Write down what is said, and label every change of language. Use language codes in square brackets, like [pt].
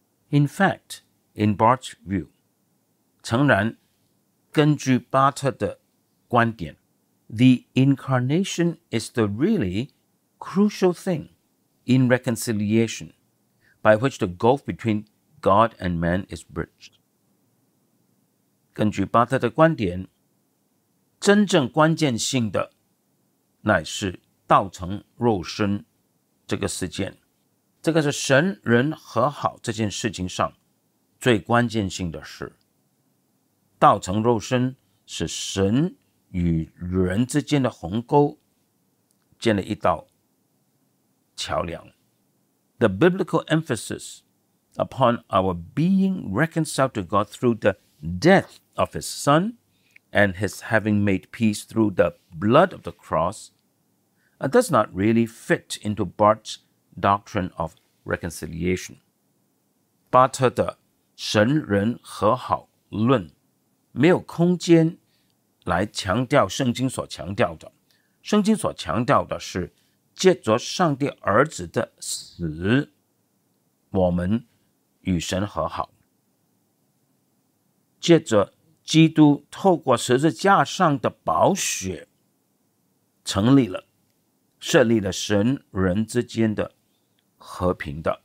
[en] In fact, in Barth's view, [zh] 诚然根据巴特的观点， [en] The incarnation is the really crucial thing in reconciliation by which the gulf between God and man is bridged. [zh] 根据巴特的观点，真正关键性的乃是道成肉身这个事件，这个是神人和好这件事情上最关键性的事。道成肉身是神与人之间的鸿沟建了一道桥梁。 [en] The biblical emphasis upon our being reconciled to God through the death of his son and his having made peace through the blood of the cross does not really fit into Barth's doctrine of reconciliation. [zh] 巴特的神人和好论没有空间来强调圣经所强调的。圣经所强调的是借着上帝儿子的死我们与神和好，借着基督透过十字架上的宝血成立了设立了神人之间的和平的。